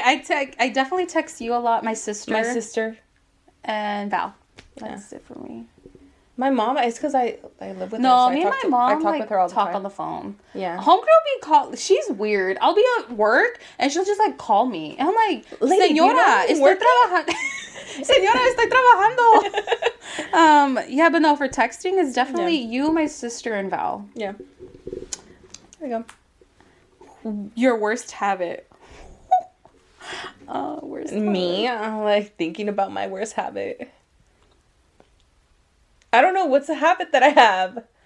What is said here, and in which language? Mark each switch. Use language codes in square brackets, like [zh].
[en] I definitely text you a lot. My sister and Val. That's it for me. My mom, it's because I live with talk on the phone. Yeah, homegirl be called, she's weird. I'll be at work and she'll just like call me and I'm like, lady, [es] señora, señora, estoy trabajando. [en] Yeah, but no, for texting is definitely you, my sister, and Val. Yeah. There we go. Your worst habit. Me? I'm like thinking about my worst habit. I don't know what's a habit that I have.